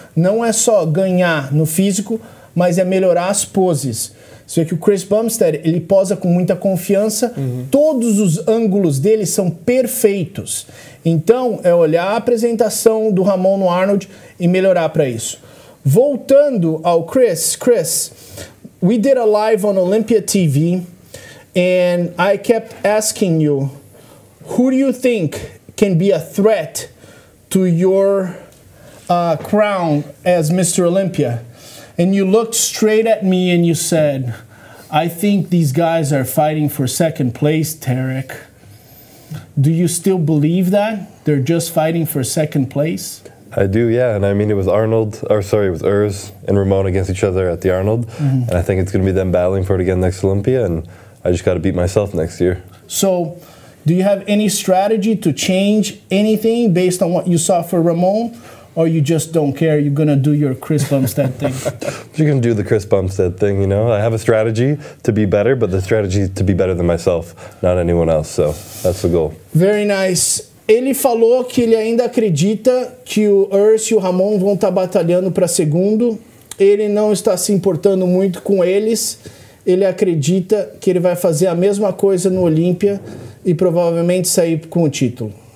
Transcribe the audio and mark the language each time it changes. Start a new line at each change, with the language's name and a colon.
Portuguese: Não é só ganhar no físico, mas é melhorar as poses. Você vê que o Chris Bumstead, ele posa com muita confiança. Uhum. Todos os ângulos dele são perfeitos. Então, é olhar a apresentação do Ramon no Arnold e melhorar para isso. Voltando ao Chris,
English: we did a live on Olympia TV, and I kept asking you, who do you think can be a threat to your crown as Mr. Olympia? And you looked straight at me and you said, I think these guys are fighting for second place, Tarek. Do you still believe that? They're just fighting for second place? I do, yeah. And I mean, it was Urs and Ramon against each other at the Arnold. Mm-hmm. And I think it's going to be them battling for it again next Olympia. And I just got to beat myself next year. So do you have any strategy to change anything based on what you saw for Ramon? Or you just don't care, you're gonna do your Chris Bumstead thing? You're gonna do the Chris Bumstead thing, you know? I have a strategy to be better, but the strategy is to be better than myself, not anyone else, so that's the goal. Very nice.
Portuguese: Ele falou que ele ainda acredita que o Urs e o Ramon vão estar batalhando para segundo. Ele não está se importando muito com eles. Ele acredita que ele vai fazer a mesma coisa no Olympia e provavelmente sair com o título.